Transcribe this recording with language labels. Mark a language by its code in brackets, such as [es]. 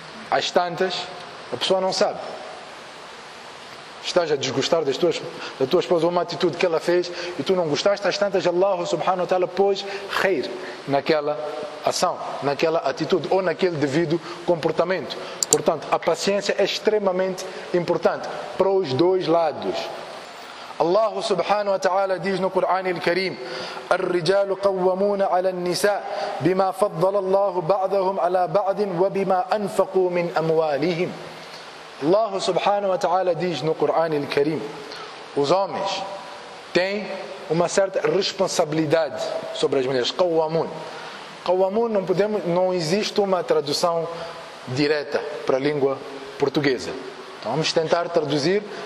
[pt] As tantas, a pessoa não sabe. Estás a desgostar da tua esposa, uma atitude que ela fez e tu não gostaste, às tantas Allah subhanahu wa ta'ala pôs khair naquela ação, naquela atitude ou naquele devido comportamento. Portanto, a paciência é extremamente importante para os dois lados. [ar] Allah subhanahu wa ta'ala [pt] diz no [ar] Quran al-Karim: الرجال قوامون على النساء بما فضل الله بعضهم على بعض وبما أنفقوا من أموالهم. [pt] Allah subhanahu wa ta'ala diz no Quran al-Karim: os homens têm uma certa responsabilidade sobre as mulheres. Qawwamun. Qawwamun, não existe uma tradução direta para a língua portuguesa. Então vamos tentar traduzir